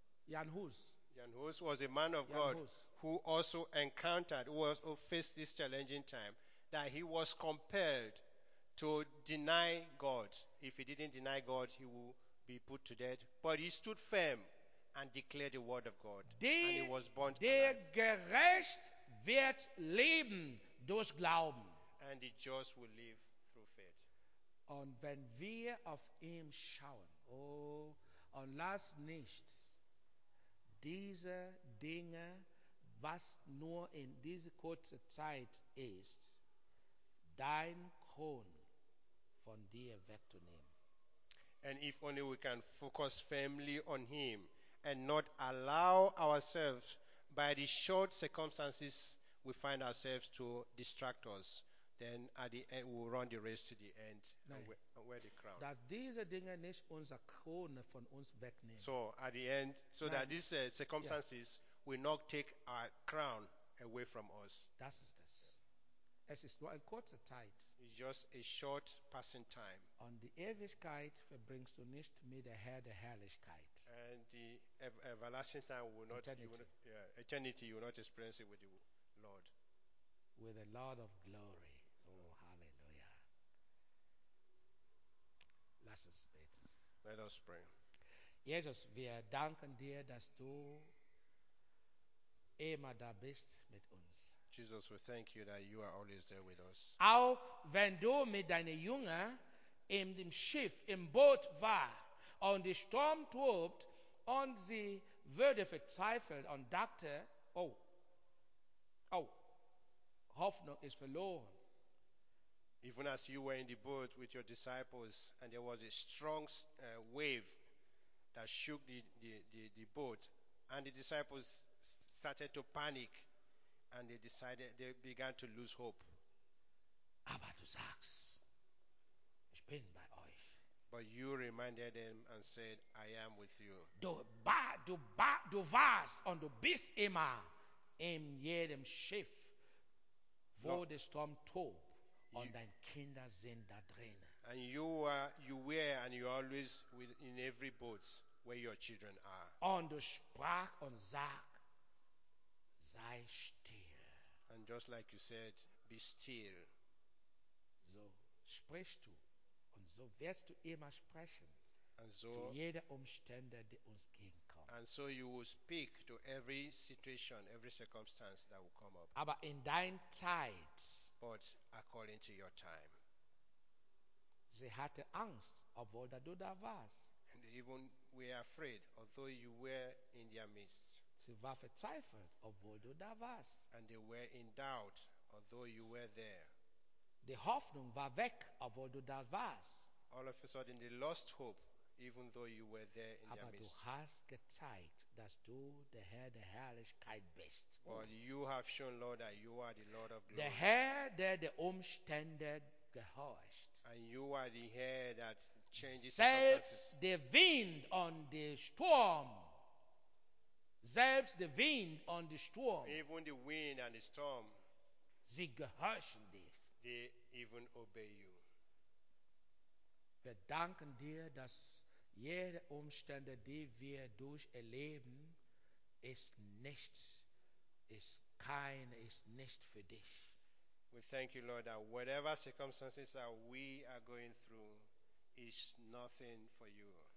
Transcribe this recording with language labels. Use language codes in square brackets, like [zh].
[en] Jan Hus was a man of God who also encountered, who faced this challenging time, that he was compelled to deny God. If he didn't deny God, he would be put to death. But he stood firm and declared the word of God. [de] Die, [en] and he was born to life. [de] Der gerecht wird leben durch Glauben. [en] And the just will live through faith. [de] Und wenn wir auf ihn schauen, und lass nicht diese Dinge, was nur in dieser kurzen Zeit ist, dein Kron von dir wegzunehmen. [en] And if only we can focus firmly on him and not allow ourselves by the short circumstances we find ourselves to distract us, then at the end we'll run the race to the end and wear the crown. [de] Dass diese Dinge nicht unser Kron von uns wegnehmen. [en] So at the end, so [de] nein, [en] that these circumstances will not take our crown away from us. [de] Das ist das. Es ist nur ein kurzer Zeit. [en] It's just a short passing time. [de] Und die Ewigkeit verbringst du nicht mit der Herr der Herrlichkeit. [en] And the everlasting time will not, eternity. Eternity, you will not experience it with the Lord. With the Lord of glory. Oh, hallelujah. [de] Lass uns beten. [en] Let us pray. [de] Jesus, wir danken dir, dass du immer da bist mit uns. [en] Jesus, we thank you that you are always there with us. [de] Auch wenn du mit deinen Jüngern in dem Schiff, im Boot war und der Sturm tobt und sie würde verzweifelt und dachte, oh, Hoffnung ist verloren. [en] Even as you were in the boat with your disciples and there was a strong wave that shook the boat and the disciples started to panic and they began to lose hope. [de] Aber du sagst, ich bin bei euch. [en] But you reminded them and said, I am with you. [de] Du warst und du bist immer in jedem Schiff, wo der Sturm tobt. Und dein Kinder sind da drin. [en] And you were and you're always with in every boat. where your children are. [de] Und du sprach und sag, sei still. [en] And just like you said, be still. [de] So sprichst du und so wirst du immer sprechen. [en] And so, [de] zu jeder Umstände, die uns gegenkommt. [en] And so you will speak to every situation, every circumstance that will come up. [de] Aber in dein Zeit. [en] But according to your time. [de] Sie hatte Angst, obwohl du da warst. [en] And they even were afraid, although you were in their midst. [de] Sie war verzweifelt, obwohl du da warst. [en] And they were in doubt, although you were there. [de] Die Hoffnung war weg, obwohl du da warst. [en] All of a sudden they lost hope, even though you were there in [de] aber [en] their midst. [de] Du hast gezeigt, dass du der Herr der Herrlichkeit bist. [en] Well, you have shown, Lord, that you are the Lord of glory. [de] Der Herr, der die Umstände gehorcht. [en] And you are the Herr that changes [de] selbst der Wind und der Sturm. Selbst der Wind und der Sturm. [en] Even the wind and the storm. [de] Sie gehorchen dir. [en] They even obey you. [de] Wir danken dir, dass jede Umstände, die wir durch erleben, ist nicht für dich. [en] We thank you, Lord, that whatever circumstances that we are going through is nothing for you.